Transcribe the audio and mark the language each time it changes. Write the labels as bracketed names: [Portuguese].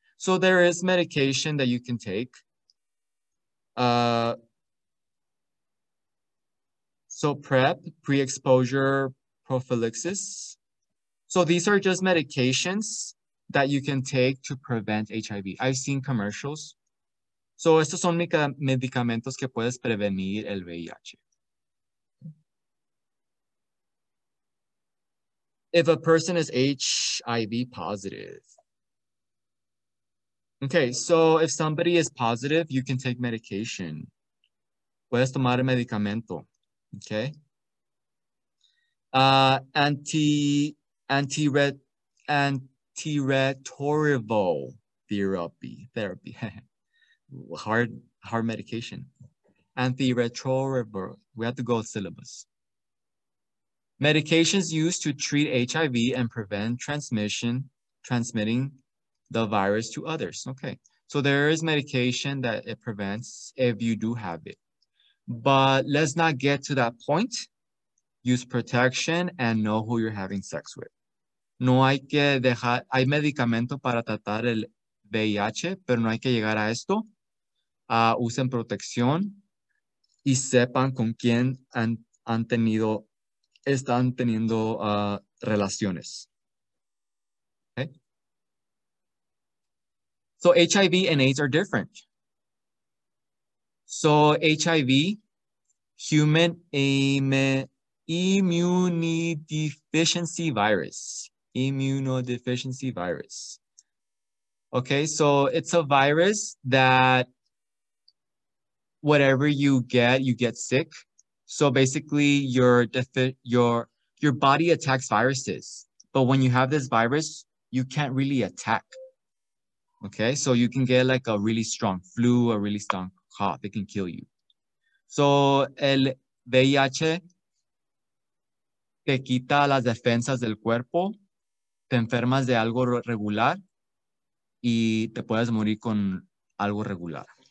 [English] So there is medication that you can take. So PrEP, pre-exposure prophylaxis. So these are just medications that you can take to prevent HIV. I've seen commercials. [Spanish] So estos son medicamentos que puedes prevenir el VIH. [English] If a person is HIV positive. Okay, so if somebody is positive, you can take medication. [Spanish] Puedes tomar el medicamento. [English] Okay. Antiretroviral therapy, hard medication. antiretroviral. We have to go with syllabus. Medications used to treat HIV and prevent transmitting the virus to others. Okay, so there is medication that it prevents if you do have it. But let's not get to that point. Use protection and know who you're having sex with. [Spanish] No hay que dejar, hay medicamento para tratar el VIH, pero no hay que llegar a esto. Usen protección y sepan con quién están teniendo relaciones. [English] Okay. So HIV and AIDS are different. So HIV, human immunodeficiency virus. Immunodeficiency virus. Okay, so it's a virus that whatever you get sick. So basically your body attacks viruses. But when you have this virus, you can't really attack. Okay, so you can get like a really strong flu, a really strong cough. It can kill you. [Spanish] So el VIH te quita las defensas del cuerpo. Te enfermas de algo regular y te puedes morir con algo regular.